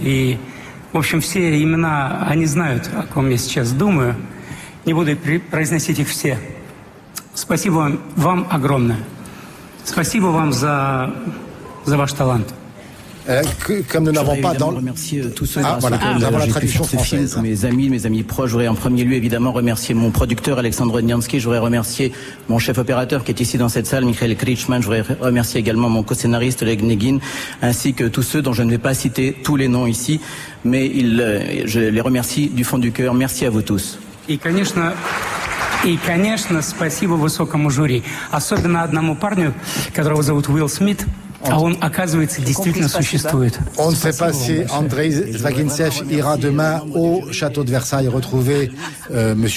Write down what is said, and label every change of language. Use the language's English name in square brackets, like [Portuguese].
[Russian] И, в общем, все имена, они знают, о ком я сейчас думаю. Не буду произносить их все. Спасибо вам огромное. Спасибо вам за ваш талант. [French] Comme nous n'avons pas dans le... remercier tous ceux dans la tradition française, films, mes amis proches. Je voudrais en premier lieu évidemment remercier mon producteur Alexandre Niansky. Je voudrais remercier mon chef opérateur qui est ici dans cette salle, Michael Kritschmann. Je voudrais remercier également mon co-scénariste Oleg Negin, ainsi que tous ceux dont je ne vais pas citer tous les noms ici, mais je les remercie du fond du cœur. Merci à vous tous. [Russian] Et конечно, спасибо высокому жюри, особенно одному парню, которого зовут Уилл Смит. [French] On ne sait pas si Andrei Zvaginsev ira demain au château de Versailles retrouver M.